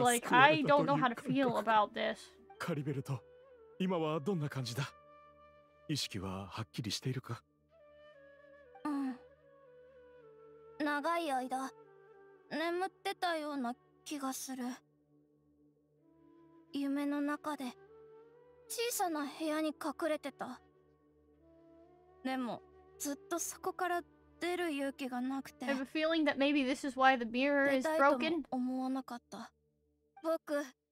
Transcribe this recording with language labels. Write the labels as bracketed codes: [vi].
[en] Like, I don't know how to feel about this. [ja] カリベルト、今はどんな感じだ。意識ははっきりしているか。長い間眠ってたような気がする。夢の中で小さな部屋に隠れてた。でもずっとそこから出る勇気がなくて。 [en] I have a feeling that maybe this is why the mirror is broken. [ja] 出たいとも思わなかった僕。